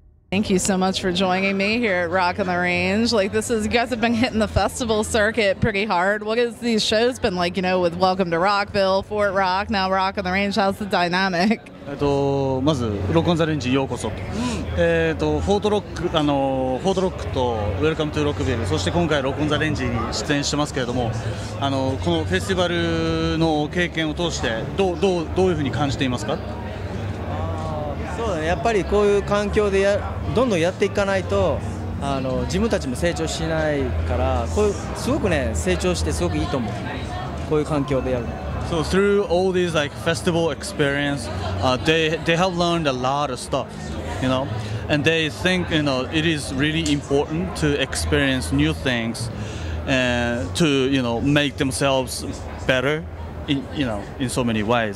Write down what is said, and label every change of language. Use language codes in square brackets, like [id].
[en] Thank you so much for joining me here at Rock on the Range. Like, this is, you guys have been hitting the festival circuit pretty hard. What has these shows been like, you know, with Welcome to Rockville, Fort Rock, now Rock on the Range? How's the dynamic? [ja] まず、ロックオンザレンジようこそ。フォートロック、フォートロックとウェルカムトゥーロックビル、そして今回ロックオンザレンジに出演してますけれども、このフェスティバルの経験を通してどういうふうに感じていますか？そうだね、やっぱりこういう環境でどんどんやっていかないと自分たちも成長しないから、こういうすごくね、成長してすごくいいと思う、こういう環境でやるの。 [en] So through all these like festival experience, they have learned a lot of stuff, you know, and they think, you know, it is really important to experience new things, to, you know, make themselves better, in so many ways.